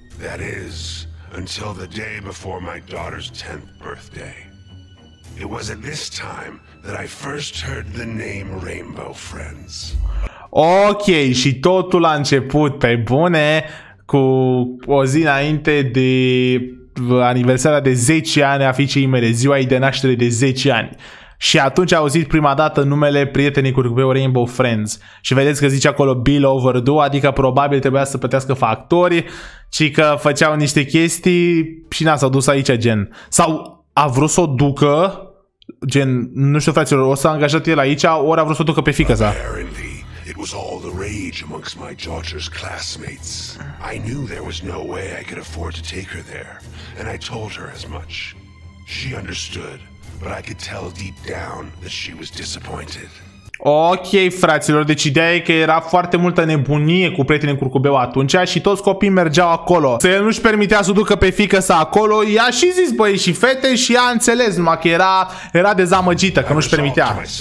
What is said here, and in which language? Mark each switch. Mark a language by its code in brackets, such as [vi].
[en] That is, until the day before my daughter's 10th birthday. It was at this time that I first heard the name Rainbow Friends. [ro] Ok, și totul a început pe bune cu o zi înainte de aniversarea de 10 ani a fiicei mele, ziua ei de naștere de 10 ani. Și atunci a auzit prima dată numele prietenii cu grupeu Rainbow Friends. Și vedeți că zice acolo Bill Overdue, adică probabil trebuia să plătească factorii, ci că făceau niște chestii și n-a, s-a dus aici gen. Sau a vrut să o ducă, gen, nu știu fraților, o s-a angajat el aici, ori a vrut să o ducă pe fiică sa. [en] It was all the rage amongst my daughter's classmates. I knew there was no way I could afford to take her there, and I told her as much. She understood. But I could tell deep down that she was disappointed. [ro] Ok, fraților, deci ideea e că era foarte multă nebunie cu prietenii în curcubeu atunci și toți copiii mergeau acolo. Să el nu-și permitea să ducă pe fiică sa acolo, i-a și zis băi și fete și ea a înțeles, numai că era dezamăgită, că nu-și permitea.